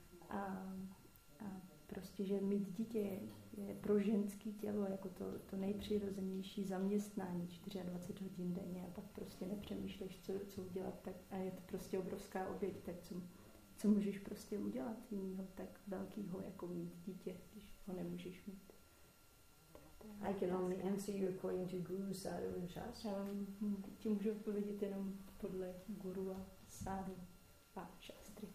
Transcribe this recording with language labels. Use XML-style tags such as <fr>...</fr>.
<cs>A prostě, že mít dítě je pro ženské tělo jako to nejpřirozenější zaměstnání, 24 hodin denně, a pak prostě nepřemýšlíš, co udělat, tak, a je to prostě obrovská oběť, tak co můžeš prostě udělat jiného tak velkého, jako mít dítě, když ho nemůžeš mít.</cs> <en>I can only answer you according to Guru, Sadhu, and Shastra.</en> <cs>Ti můžu odpovědět jenom podle Guru a Sadhu a Shastry.</cs>